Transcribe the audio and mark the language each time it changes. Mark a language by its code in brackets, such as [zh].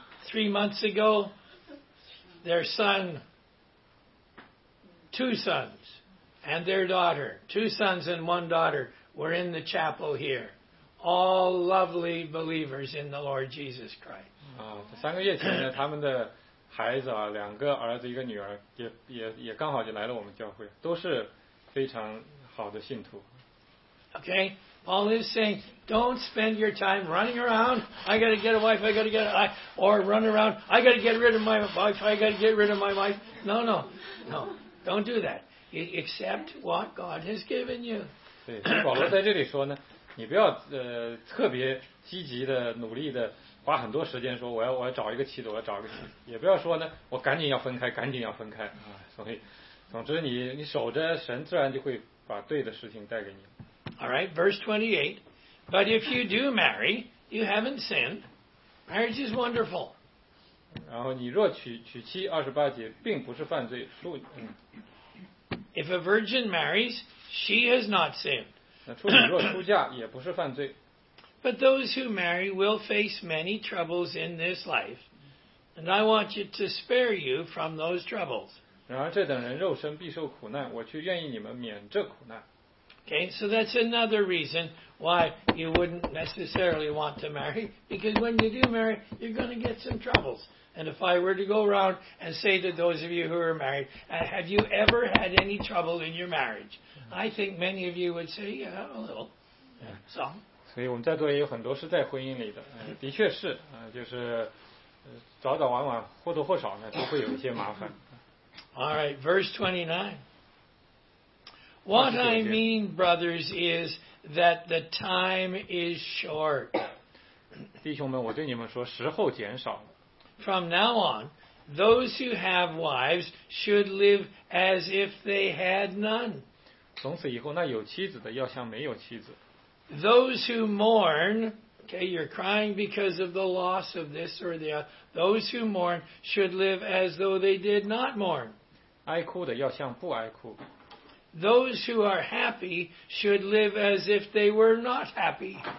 [en] 3 months ago, their son, two sons, and their daughter, two sons and one daughter, were in the chapel here, all lovely believers in the Lord Jesus Christ. [zh] 3个月前呢，他们的孩子啊，两个儿子一个女儿，也刚好就来了我们教会，都是非常好的信徒。 [en] Okay, Paul is saying, don't spend your time running around. I got to get a wife. I got to get a wife. Or run around. I got to get rid of my wife. I got to get rid of my wife. No, no, no. Don't do that. except what God has given you. [zh] 对，保罗在这里说呢，你不要特别积极的努力的花很多时间说我要找一个妻子，我要找一个妻子，也不要说呢我赶紧要分开，赶紧要分开啊。所以，总之你守着神，自然就会把对的事情带给你。 [en] All right, verse 28. But if you do marry, you haven't sinned. Marriage is wonderful. [zh] 然后你若娶妻，二十八节并不是犯罪。 [en] If a virgin marries, she has not sinned. [zh] 那处女若出嫁也不是犯罪。 [en] But those who marry will face many troubles in this life, and I want you to spare you from those troubles. [zh] 然而这等人肉身必受苦难，我却愿意你们免这苦难。 [en] Okay, so that's another reason why you wouldn't necessarily want to marry, because when you do marry, you're going to get some troubles. And if I were to go around and say to those of you who are married, have you ever had any trouble in your marriage? I think many of you would say, yeah, a little. Some. [zh] 所以我们在座也有很多是在婚姻里的，的确是，就是早早晚晚或多或少呢都会有一些麻烦。 [en] All right, verse 29. What I mean, brothers, is that the time is short. [zh] 弟兄们，我对你们说，时候减少了。 [en] From now on, those who have wives should live as if they had none. [zh] 从此以后，那有妻子的要像没有妻子。 [en] Those who mourn, okay, you're crying because of the loss of this or the other. Those who mourn should live as though they did not mourn. [zh] 哀哭的要像不哀哭。 [en] Those who are happy should live as if they were not happy.